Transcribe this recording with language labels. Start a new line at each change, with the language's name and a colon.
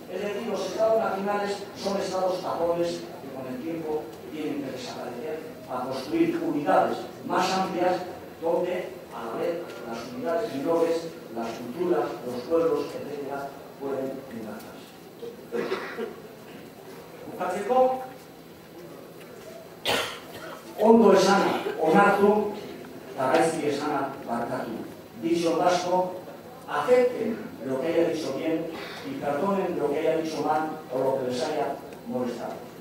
Spanish: Es decir, los Estados nacionales son Estados tapones que con el tiempo tienen que desaparecer para construir unidades más amplias donde, a la vez, las unidades menores, las culturas, los pueblos, etc., pueden enlazarse.
Basque: Bukatzeko, ondo esana onartu, eta gaizki esana barkatu.
Spanish: Dicho vasco, acepten lo que haya dicho bien y perdonen lo que haya dicho mal o lo que les haya molestado.